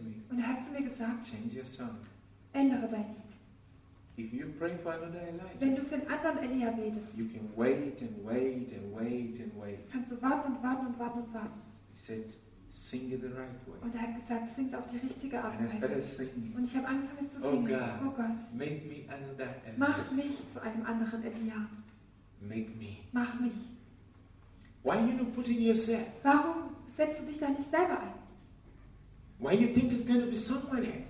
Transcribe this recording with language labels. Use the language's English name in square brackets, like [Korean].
[German] Und er hat zu mir gesagt, ändere dein Lied. [English] If you pray for another Elijah, [German] wenn du für einen anderen Elia betest, [English] you can wait and wait and wait and wait. [German] Kannst du warten und warten und warten und warten. [English] He said, sing it the right way. [German] Und er hat gesagt, sing es auf die richtige Art und Weise. [English] And I started singing. [German] Und ich habe angefangen, es zu singen. [English] Oh God, [German] oh Gott, [English] make me another Elijah. [German] Mach mich zu einem anderen Elia. [English] Make me. [German] Mach mich. [English] Why are you not putting yourself? [German] Warum setzt du dich da nicht selber ein? [English] Why you think it's going to be someone else?